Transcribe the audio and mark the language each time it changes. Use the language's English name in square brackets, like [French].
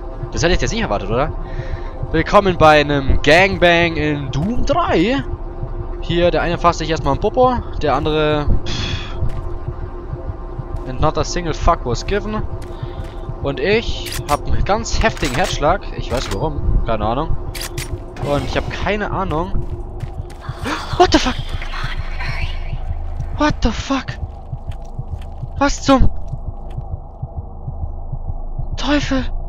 [German] Das hätte ich jetzt nicht erwartet, oder? Willkommen bei einem Gangbang in Doom 3! Hier, der eine fasst sich erstmal einen Popo, der andere. [English] And not a single fuck was given. [German] Und ich habe einen ganz heftigen Herzschlag. Ich weiß warum. Keine Ahnung. Und ich habe keine Ahnung. [English] What the fuck? What the fuck? [German] Was zum Teufel?